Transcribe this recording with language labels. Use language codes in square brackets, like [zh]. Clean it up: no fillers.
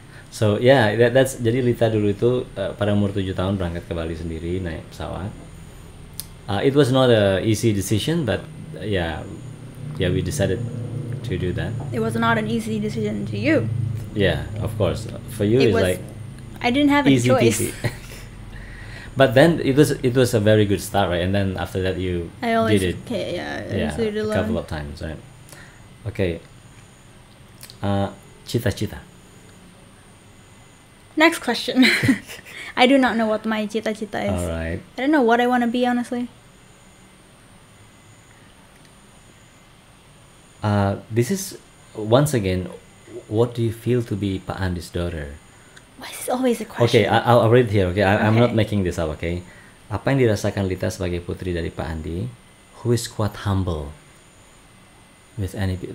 [en] So yeah, that's [id] jadi Lita dulu itu pada umur 7 tahun berangkat ke Bali sendiri naik pesawat. [en] It was not a easy decision, but yeah, we decided to do that. It was not an easy decision to you. Yeah, of course. For you, it's like I didn't have a choice. But then it was a very good start, right? And then after that, you did it. I always did it a couple of times, right? Okay. Cita-cita. Next question. I do not know what my cita-cita is. All right. I don't know what I want to be, honestly. This is, once again, what do you feel to be Pak Andi's daughter? Why is this always a question? Okay, I'll read it here, okay? I'm not making this up, okay? [id] Apa yang dirasakan Lita sebagai putri dari Pak Andi, [en] who is quite humble with any...